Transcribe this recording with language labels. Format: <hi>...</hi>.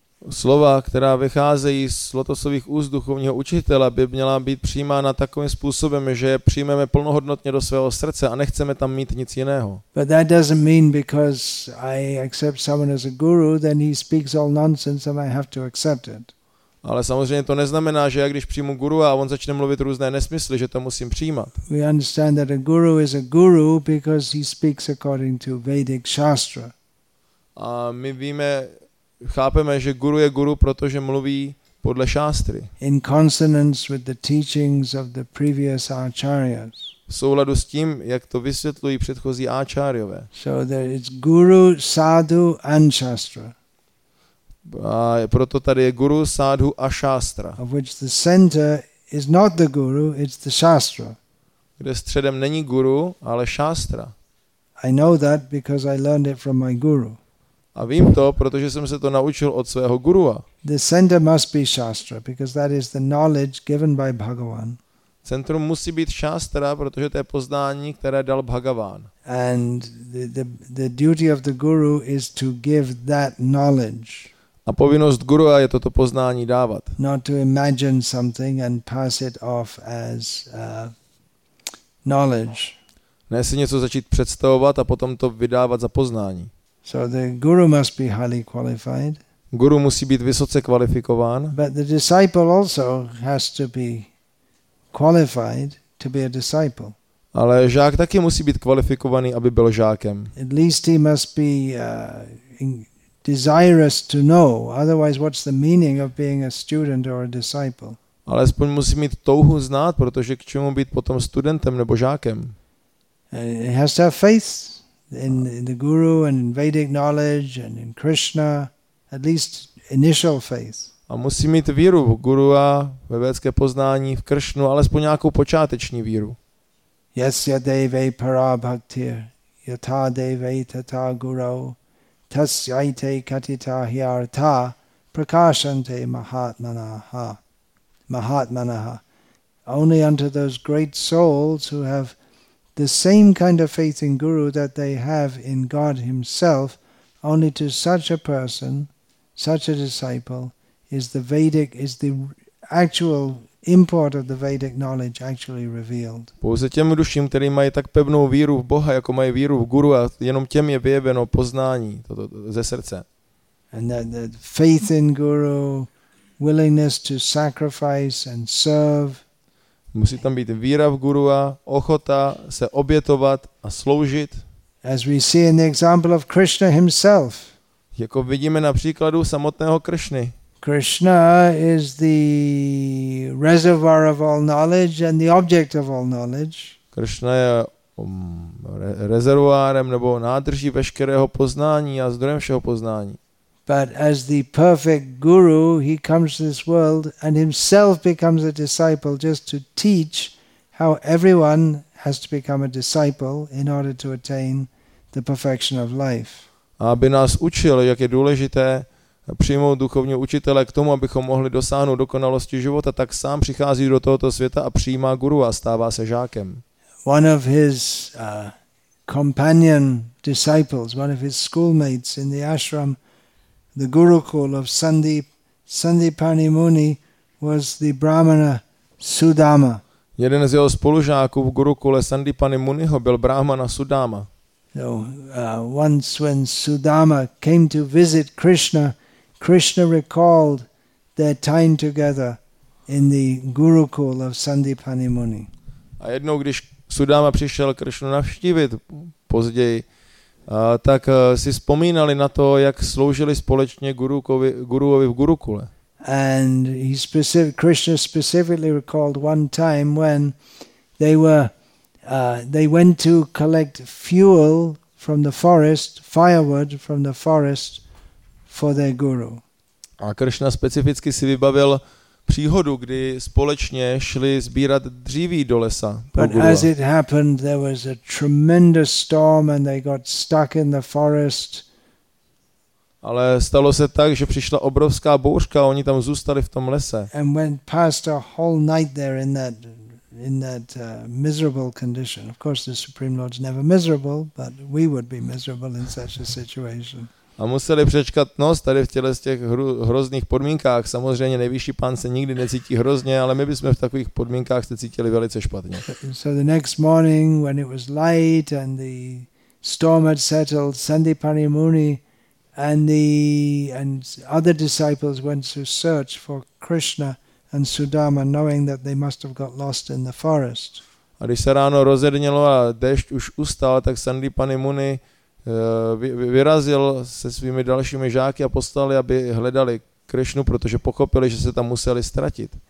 <cs>Slova, která vycházejí z lotosových úst duchovního učitele, by měla být přijímána takovým způsobem, že je přijmeme plnohodnotně do svého srdce a nechceme tam mít nic jiného.</cs> <en>But that doesn't mean because I accept someone as a guru, then he speaks all nonsense and I have to accept it.</en> <cs>Ale samozřejmě to neznamená, že já když přijmu guru a on začne mluvit různé nesmysly, že to musím přijímat.</cs> <en>We understand that a guru is a guru because he speaks according to Vedic Shastra.</en> <cs>A my víme, chápeme, že guru je guru, protože mluví podle šástry.</cs> <en>In consonance with the teachings of the previous acharyas.</en> <cs>V souladu s tím, jak to vysvětlují předchozí áčárjové.</cs> <en>So there is guru, sadhu and shastra.</en> <cs>A proto tady je guru, sadhu a šástra.</cs> <en>Of which the center is not the guru, it's the shastra.</en> <cs>Kde středem není guru, ale šástra.</cs> <en>I know that because I learned it from my guru.</en> <cs>A vím to, protože jsem se to naučil od svého gurua.</cs> <en>The center must be shastra because that is the knowledge given by Bhagavan.</en> <cs>Centrum musí být šástra, protože to je poznání, které dal Bhagavan.</cs> <en>And the duty of the guru is to give that knowledge.</en> <cs>A povinnost gurua je toto poznání dávat.</cs> <en>Not to imagine something and pass it off as knowledge.</en> <cs>Ne si něco začít představovat a potom to vydávat za poznání.</cs> <en>So the guru must be highly qualified.</en> <cs>Guru musí být vysoce kvalifikován.</cs> <en>But the disciple also has to be qualified to be a disciple.</en> <cs>Ale žák taky musí být kvalifikovaný, aby byl žákem.</cs> <en>At least he must be desirous to know, otherwise what's the meaning of being a student or a disciple?</en> <cs>Alespoň musí mít touhu znát, protože k čemu být potom studentem nebo žákem?</cs> <en>He has to have faith in the guru and in Vedic knowledge and in Krishna, at least initial faith.</en> <cs>A musí mít víru v guru a ve vědecké poznání v Kršnu, alespoň nějakou počáteční víru.</cs> <sa>Yasya deve para bhaktir yata deve tata guru tasyaite katita hyartha prakashante mahatmanaha mahatmanaha.</sa> <en>Only unto those great souls who have the same kind of faith in guru that they have in God himself, only to such a person, such a disciple, is the actual import of the Vedic knowledge actually revealed.</en> <cs>Pouze těm duším, kteří mají tak pevnou víru v Boha, jako mají víru v guru, a jenom těm je vyjeveno poznání toto ze srdce.</cs> <en>And that faith in guru, willingness to sacrifice and serve.</en> <cs>Musí tam být víra v gurua, ochota se obětovat a sloužit.</cs> <en>As we see in the example of Krishna himself.</en> <cs>Jako vidíme na příkladu samotného Krishny.</cs> <en>Krishna is the reservoir of all knowledge and the object of all knowledge.</en> <cs>Krishna je rezervoárem nebo nádrží veškerého poznání a zdrojem všeho poznání.</cs> <en>But as the perfect guru, he comes to this world and himself becomes a disciple just to teach how everyone has to become a disciple in order to attain the perfection of life.</en> <cs>Aby nás učil, jak je důležité přijmout duchovního učitele k tomu, abychom mohli dosáhnout dokonalosti života, tak sám přichází do tohoto světa a přijímá guru a stává se žákem.</cs> <en>One of his companion disciples, one of his schoolmates in the ashram, the gurukul of Sandipani Muni, was the brahmana Sudama.</en> <cs>Jeden z jeho spolužáků v gurukule Sandipani Muniho byl brahmana Sudama.</cs> <en>So, once when Sudama came to visit Krishna, Krishna recalled their time together in the gurukul of Sandipani Muni.</en> <cs>A jednou, když Sudama přišel Krishnu navštívit později, tak si vzpomínali na to, jak sloužili společně guruovi v Gurukule.</cs> <en>And he Krishna specifically recalled one time when they were they went to collect fuel from the forest, firewood from the forest for their guru.</en> <cs>A Krishna specificky si vybavil příhodu, kdy společně šli sbírat dříví do lesa.</cs> <en>But as it happened, there was a tremendous storm and they got stuck in the forest.</en> <cs>Ale stalo se tak, že přišla obrovská bouřka a oni tam zůstali v tom lese.</cs> <en>And went past a whole night there in that miserable condition. Of course, the Supreme Lord's never miserable, but we would be miserable in such a situation.</en> <cs>A museli přečkat noc tady v těle z těch hrozných podmínkách. Samozřejmě nejvyšší pán se nikdy necítí hrozně, ale my bychom v takových podmínkách se cítili velice špatně.</cs> <en>So the next morning, when it was light and the storm had settled, Sandipani Muni and other disciples went to search for Krishna and Sudama, knowing that they must have got lost in the forest.</en> <cs>A když se ráno rozednělo a déšť už ustal, tak Sandipani Muni vyrazil se svými dalšími žáky a poslali, aby hledali Krishnu, protože pochopili, že se tam museli ztratit.</cs>